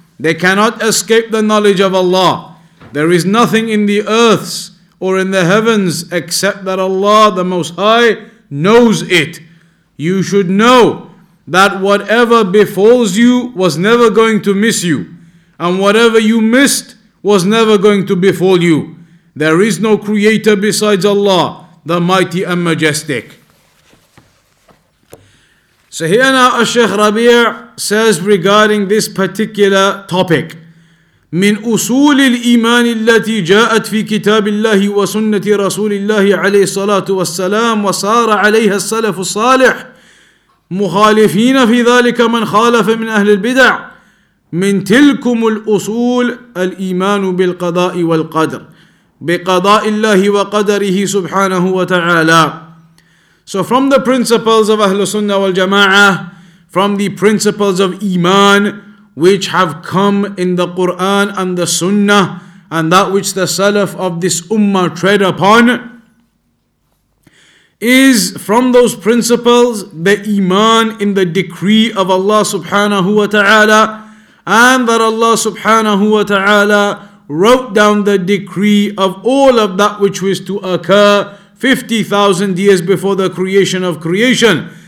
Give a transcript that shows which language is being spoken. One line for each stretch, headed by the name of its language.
English: They cannot escape the knowledge of Allah. There is nothing in the earths or in the heavens except that Allah the Most High knows it. You should know that whatever befalls you was never going to miss you, and whatever you missed was never going to befall you. There is no creator besides Allah, the Mighty and Majestic. So here now, Al-Shaykh Rabee' says regarding this particular topic,
Arabic: من أصول الإيمان التي جاءت في كتاب الله وسنة رسول الله عليه الصلاة والسلام وصار عليها السلف الصالح مخالفين في ذلك من خالف من أهل البدع من تلكم الأصول الإيمان بالقضاء والقدر بقضاء الله وقدره سبحانه وتعالى.
English: So from the principles of Ahlus Sunnah wal Jama'ah, from the principles of Iman, which have come in the Qur'an and the Sunnah, and that which the Salaf of this Ummah tread upon, is from those principles the Iman in the decree of Allah subhanahu wa ta'ala, and that Allah subhanahu wa ta'ala wrote down the decree of all of that which was to occur 50,000 years before the creation of creation.